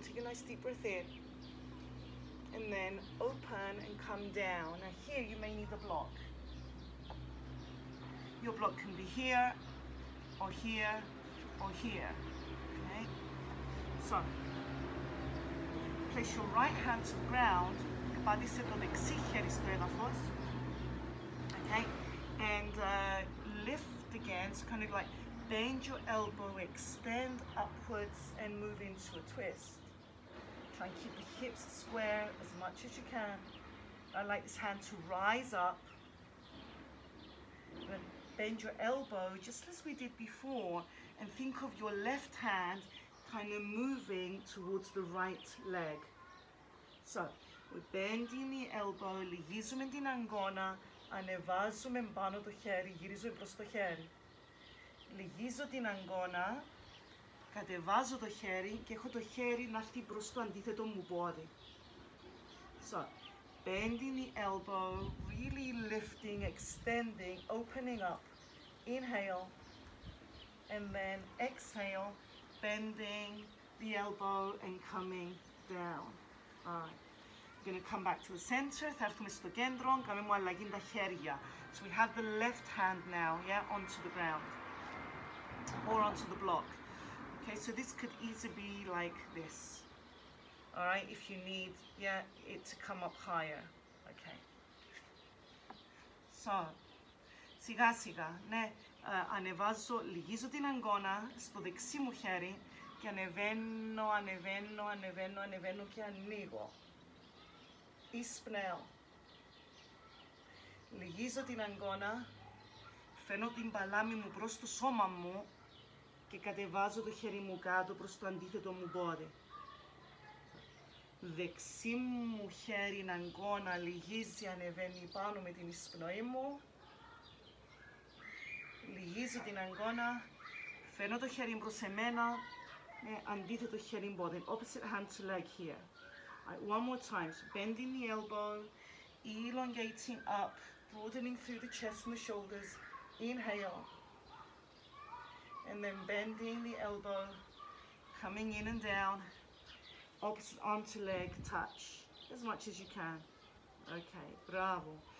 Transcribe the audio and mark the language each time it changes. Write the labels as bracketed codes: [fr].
[en] Take a nice deep breath in. And then open and come down. Now here you may need a block. Your block can be here, or here, or here. Okay? So, place your right hand to the ground. [el] Πάτησε το δεξί χέρι στο έδαφος. [en] Okay? And lift again. So kind of like bend your elbow, extend upwards, and move into a twist. Try and keep the hips square as much as you can. I like this hand to rise up. Bend your elbow just as we did before and think of your left hand kind of moving towards the right leg. So, we're bending the elbow, [el] λυγίζουμε την αγκώνα, ανεβάζουμε πάνω το χέρι, γυρίζουμε προς το χέρι. Λυγίζω την αγκώνα, κατεβάζω το χέρι και έχω το χέρι να έρθει προς το αντίθετο μου πόδι. [en] So, bending the elbow, really lifting, extending, opening up. Inhale, and then exhale, bending the elbow and coming down. All right, we're gonna come back to the center. [el] Θα έρθουμε στο κέντρο, κάνουμε αλλαγή τα χέρια. [en] So we have the left hand now, yeah, onto the ground, or onto the block. Okay, so this could easily be like this. All right, if you need, yeah, it to come up higher. Okay, so, [el] σιγά σιγά, ναι. Ανεβάζω, λυγίζω την αγκώνα στο δεξί μου χέρι και ανεβαίνω, ανεβαίνω, ανεβαίνω, ανεβαίνω και ανοίγω. Εισπνέω. Λυγίζω την αγκώνα, φαίνω την παλάμη μου προς το σώμα μου και κατεβάζω το χέρι μου κάτω προς το αντίθετο μου πόδι. Δεξί μου χέρι, αγκώνα, λυγίζει, ανεβαίνει πάνω με την εισπνοή μου. Λυγίζω την αγκώνα, φαίνω το χέρι προς εμένα, αντίθετο χέρι πόδι. [en] Opposite hand to leg here. Right, one more time. So bending the elbow, elongating up, broadening through the chest and the shoulders. Inhale. And then bending the elbow, coming in and down. Opposite arm to leg, touch as much as you can. Okay, bravo.